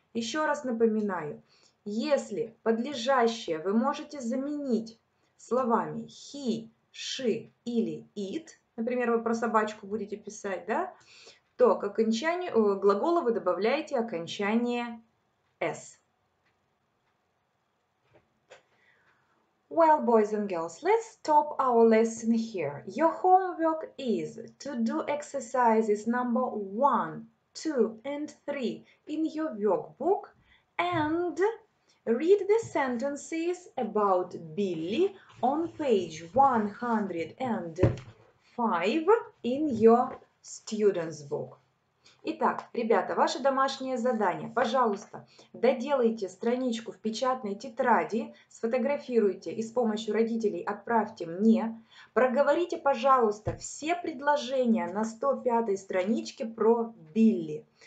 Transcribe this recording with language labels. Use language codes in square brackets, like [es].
[ru] Еще раз напоминаю. Если подлежащее вы можете заменить словами he, she или it, например, вы про собачку будете писать, да, то к окончанию глагола вы добавляете окончание s. [en] Well, boys and girls, let's stop our lesson here. Your homework is to do exercises number 1, 2 and 3 in your workbook and read the sentences about Billy on page 105 in your student's book. [ru] Итак, ребята, ваше домашнее задание. Пожалуйста, доделайте страничку в печатной тетради, сфотографируйте и с помощью родителей отправьте мне. Проговорите, пожалуйста, все предложения на 105-й страничке про Билли.